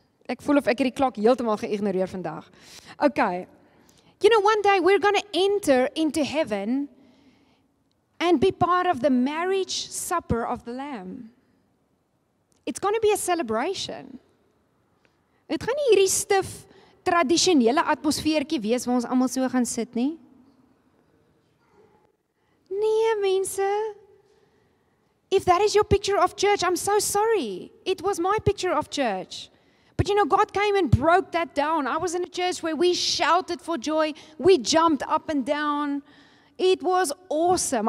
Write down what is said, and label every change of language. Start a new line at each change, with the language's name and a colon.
Afrikaans: Ek voel of ek hierdie klok heeltemal geïgnoreer vandag. Okay.
English: You know, one day we're going to enter into heaven and be part of the marriage supper of the Lamb. It's going to be a celebration.
Afrikaans: Dit gaan nie hierdie stif tradisionele atmosfeertjie wees waar ons almal so gaan sit nie. Nee, mense.
English: If that is your picture of church, I'm so sorry. It was my picture of church. But you know, God came and broke that down. I was in a church where we shouted for joy. We jumped up and down. It was awesome.